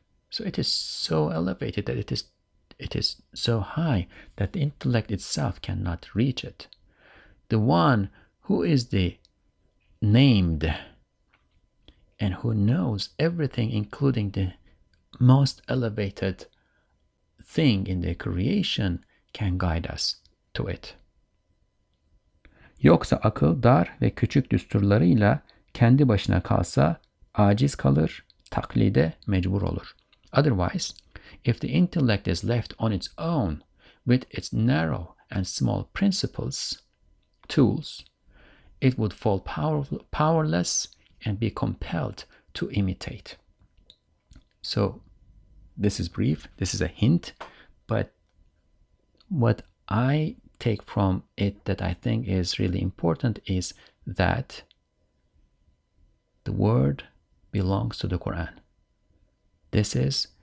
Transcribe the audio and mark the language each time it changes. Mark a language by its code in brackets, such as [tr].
[en] So it is so elevated that it is so high that the intellect itself cannot reach it. The one who is the named and who knows everything, including the most elevated thing in the creation, can guide us to it. [tr] Yoksa akıl dar ve küçük düsturlarıyla kendi başına kalsa aciz kalır, taklide mecbur olur. [en] Otherwise, if the intellect is left on its own with its narrow and small principles, tools, it would fall powerless and be compelled to imitate. So, this is brief, this is a hint, but what I take from it that I think is really important is that the word belongs to the Quran. This is